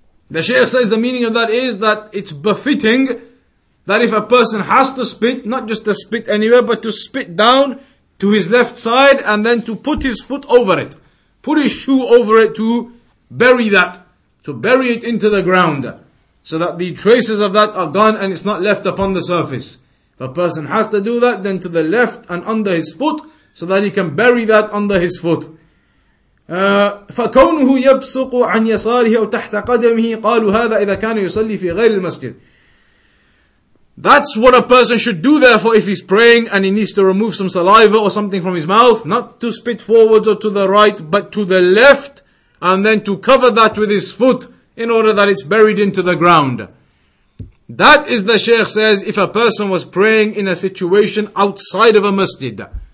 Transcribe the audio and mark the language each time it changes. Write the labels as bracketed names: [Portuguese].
[English] The Shaykh says the meaning of that is that it's befitting that if a person has to spit, not just to spit anywhere, but to spit down to his left side and then to put his foot over it, put his shoe over it to bury that, to bury it into the ground, so that the traces of that are gone and it's not left upon the surface. If a person has to do that, then to the left and under his foot, so that he can bury that under his foot. [Arabic] فكونه يبصق عن يساره أو تحت قدمه قالوا هذا إذا كان يصلي في غير المسجد. [English] That's what a person should do therefore if he's praying and he needs to remove some saliva or something from his mouth, not to spit forwards or to the right, but to the left, and then to cover that with his foot in order that it's buried into the ground. That is, the Shaykh says, if a person was praying in a situation outside of a masjid.